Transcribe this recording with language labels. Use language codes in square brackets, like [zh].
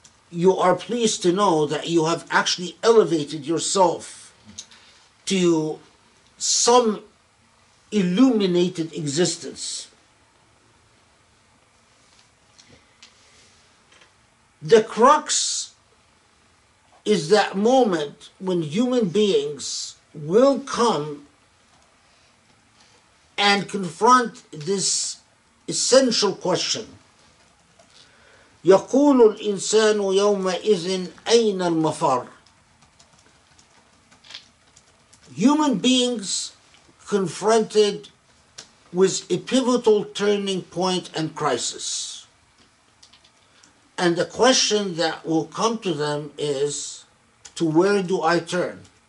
[en] you are pleased to know that you have actually elevated yourself to some illuminated existence, the crux is that moment when human beings will come and confront this essential question. [ar] يقول الإنسان يومئذ أين المفر. [en] Human beings confronted with a pivotal turning point and crisis. And the question that will come to them is, to where do I turn?